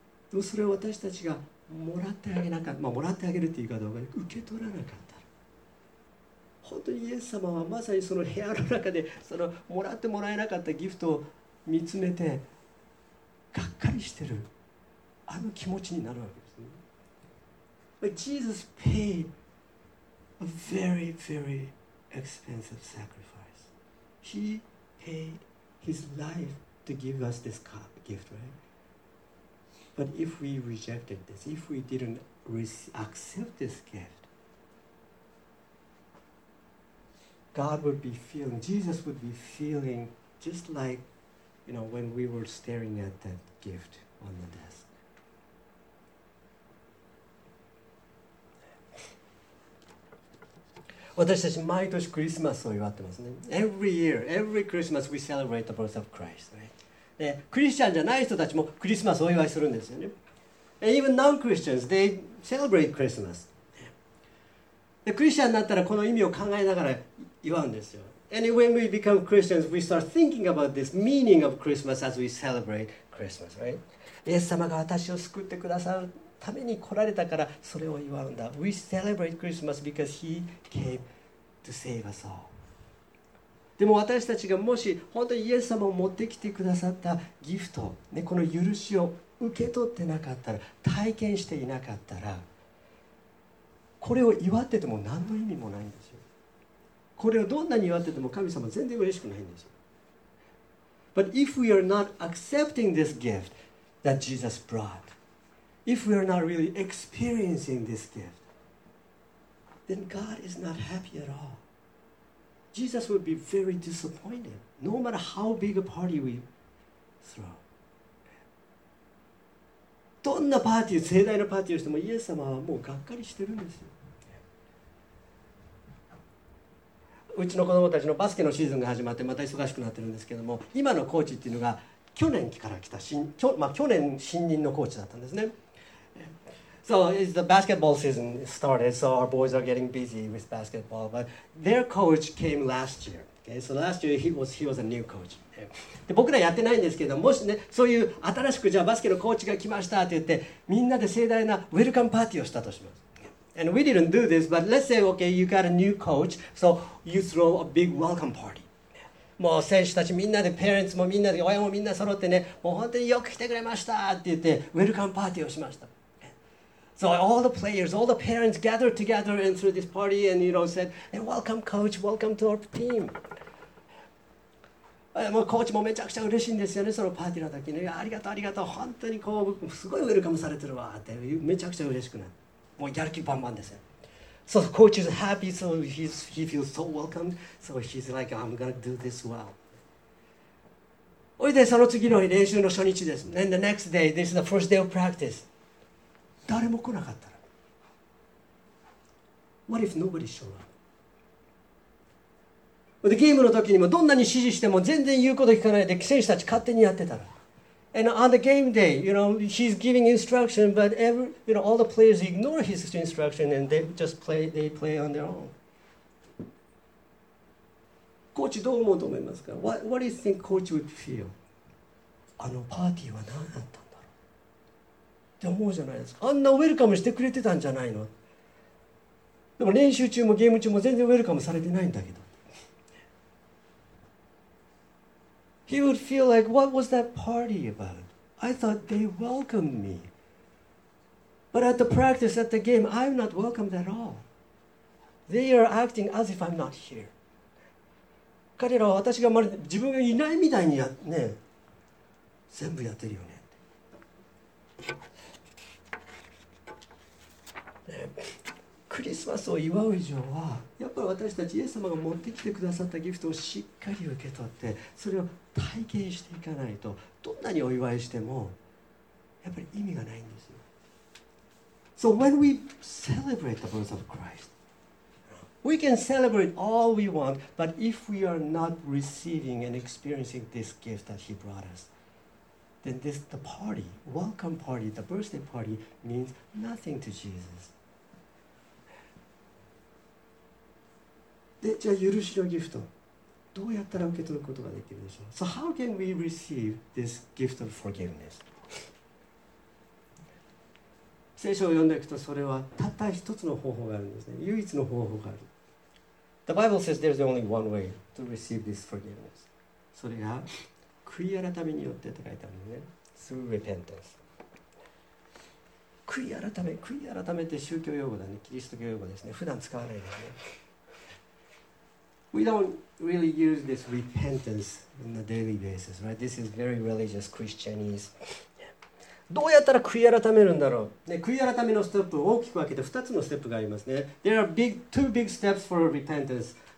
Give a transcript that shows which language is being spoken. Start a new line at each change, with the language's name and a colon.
Japanese: でもそれは私たちがもらってあげなかった、まあ、もらってあげるというかどうか受け取らなかった。本当にイエス様はまさにその部屋の中でそのもらってもらえなかったギフトを見つめてがっかりしてる、あの気持ちになるわけですね。
English: But Jesus paid a very very expensive sacrifice. He paid his life to give us this gift, right? But if we rejected this, if we didn't accept this gift, God would be feeling, Jesus would be feeling just like, you know, when we were staring at that gift on the desk. Every Christmas we celebrate the birth of Christ, right?
Japanese: クリスチャンじゃない人たちもクリスマスをお祝いするんですよね。
English: Even non-Christians, they celebrate Christmas.
Japanese: でクリスチャンになったらこの意味を考えながら祝うんですよ。
English: And when we become Christians, we start thinking about this meaning of Christmas as we celebrate Christmas, right?
Japanese: イエス様が私を救ってくださるために来られたからそれを祝うんだ。
English: We celebrate Christmas because He came to save us all.
Japanese: でも私たちがもし本当にイエス様を持ってきてくださったギフト、ね、この許しを受け取ってなかったら、体験していなかったら、これを祝ってても何の意味もないんですよ。これをどんなに祝ってても神様全然嬉しくないんですよ。
English: But if we are not accepting this gift that Jesus brought, if we are not really experiencing this gift, then God is not happy at all. Jesus would be very disappointed, no matter how big a party we throw.
Japanese: どんなパーティー、盛大なパーティーをしても、イエス様はもうがっかりしてるんですよ。うちの子供たちのバスケのシーズンが始まって、また忙しくなってるんですけども、今のコーチっていうのが、去年から来た去年新任のコーチだったんですね。
English: So it's the basketball season started, so our boys are getting busy with basketball. But their coach came last year. Okay, so last year he was a new coach.
Japanese: で僕らやってないんですけど、もしね、そういう新しくじゃあバスケのコーチが来ましたって言って、みんなで盛大なウェルカムパーティーをしたとします。
English: And we didn't do this, but let's say, okay, you got a new coach, so you throw a big welcome party.
Japanese: もう選手たちみんなで、パレンツもみんなで、親もみんな揃ってね、もう本当によく来てくれましたって言って、ウェルカムパーティーをしました。
English: So all the players, all the parents gathered together and through this party and, you know, said, hey, welcome coach, welcome to our team.
Japanese: もうコーチもめちゃくちゃ嬉しいんですよね、そのパーティーの時に。ありがとう、ありがとう、本当にこう、すごいウェルカムされてるわって、めちゃくちゃ嬉しくなる。もうやる気バンバンですよ。
English: So the coach is happy, so he feels so welcome. So he's like, I'm going to do this well.
Japanese: それでその次の練習の初日です。
English: Then the next day, this is the first day of practice.
Japanese: 誰も来なかったら。
English: What if nobody showed up?
Japanese: でゲームの時にもどんなに指示しても全然言うこと聞かないで選手たち勝手にやってたら。
English: And on the game day, you know, he's giving instruction, but every, you know, all the players ignore his instruction and they just play, they play on their own.
Japanese: コーチどう思うと思いますか?
English: What do you think coach would feel?
Japanese: あのパーティーは何だったんだろう?って思うじゃないですか。あんなウェルカムしてくれてたんじゃないの? でも練習中もゲーム中も全然ウェルカムされてないんだけど。
English: He would feel like, what was that party about? I thought they welcomed me. But at the practice, at the game, I'm not welcomed at all. They are acting as if I'm not here.
Japanese: 彼らは私がまるで自分がいないみたいにやね、全部やってるよね。クリスマスを祝う以上は、やっぱり私たちイエス様が持ってきてくださったギフトをしっかり受け取って、それを体験していかないと、どんなにお祝いしても、やっぱり意味がないんですよ。
English: So when we celebrate the birth of Christ, we can celebrate all we want, but if we are not receiving and experiencing this gift that he brought us, then this, the party, welcome party, the birthday party, means nothing to Jesus.
Japanese: で、じゃあ許しのギフト、どうやったら受け取ることができるでしょう?
English: So how can we receive this gift of forgiveness?
Japanese: 聖書を読んでいくと、それはたった一つの方法があるんですね。唯一の方法がある。
English: The Bible says there's only one way to receive this forgiveness.
Japanese: それが、悔い改めによってと書いてあるのね。
English: Through repentance.
Japanese: 悔い改め、悔い改めって宗教用語だね。キリスト教用語ですね。普段使わないですね。
English: We don't really use this repentance on a daily basis, right? This is very religious Christianese.
Japanese: どうやったら悔い改めるんだろう、ね、悔い改めのステップを大きく分けて2つのステップがありますね。
English: There are big, two big steps for repentance.